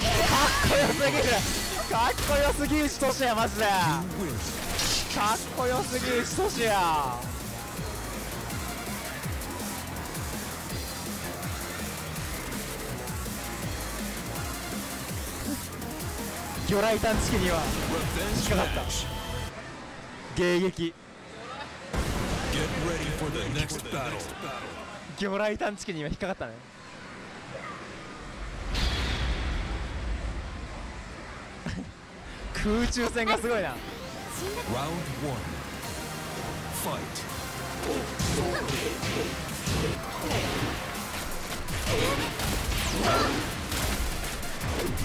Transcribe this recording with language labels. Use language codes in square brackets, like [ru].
[ja] かっこよすぎる、かっこよすぎる。ひとしやマジでかっこよすぎる。ひとしや、魚雷探知機には引っかかった。迎撃。 [en] Get ready for the next battle. [ja] 魚雷探知機には引っかかったね。空中戦がすごいな。ラウンド1ファイト。いき